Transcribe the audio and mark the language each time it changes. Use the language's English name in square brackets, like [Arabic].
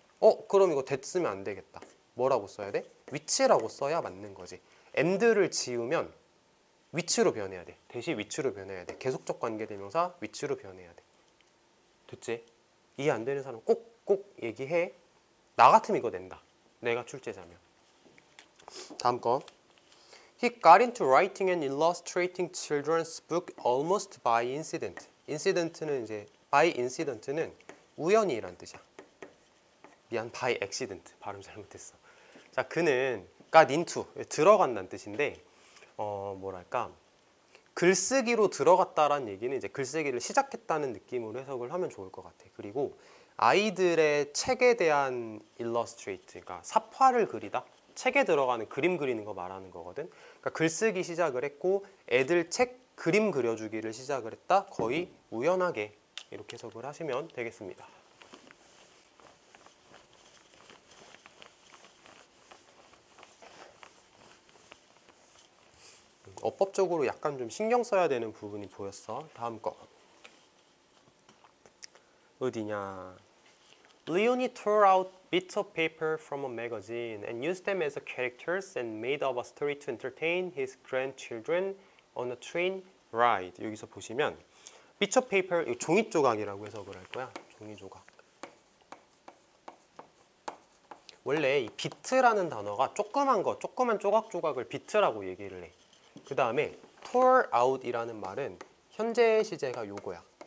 [Korean] 어 그럼 이거 됐으면 안 되겠다. 뭐라고 써야 돼? 위치라고 써야 맞는 거지. and를 지우면 위치로 변해야 돼. 대시 위치로 변해야 돼. 계속적 관계대명사 위치로 변해야 돼. 됐지? 이해 안 되는 사람 꼭꼭 얘기해. 나 같으면 이거 낸다. 내가 출제자면. 다음 거. [English] He got into writing and illustrating children's book almost by incident. [Korean] Incident는 이제 [English] by incident [Korean] 는 우연이란 뜻이야. 미안, [English] by accident [Korean] 발음 잘못했어. 자, 그는 [English] got into [Korean] 들어간다는 뜻인데 뭐랄까 글쓰기로 들어갔다라는 얘기는 이제 글쓰기를 시작했다는 느낌으로 해석을 하면 좋을 것 같아. 그리고 아이들의 책에 대한 illustrate, 그러니까 삽화를 그리다. 책에 들어가는 그림 그리는 거 말하는 거거든. 그러니까 글쓰기 시작을 했고 애들 책 그림 그려주기를 시작을 했다. 거의 우연하게 이렇게 해석을 하시면 되겠습니다. 어법적으로 약간 좀 신경 써야 되는 부분이 보였어. 다음 거 어디냐. [English] Leonie tore out bits of paper from a magazine and used them as characters and made up a story to entertain his grandchildren on a train ride. [Korean] 여기서 보시면 [English] bits of paper, [Korean] 이거 종이 조각이라고 해석을 할 거야. 종이 조각. 원래 이 bit라는 단어가 조그만 거, 조그만 조각 조각을 bit라고 얘기를 해. 그 다음에 [English] tore out [Korean] 이라는 말은 현재 시제가 요거야.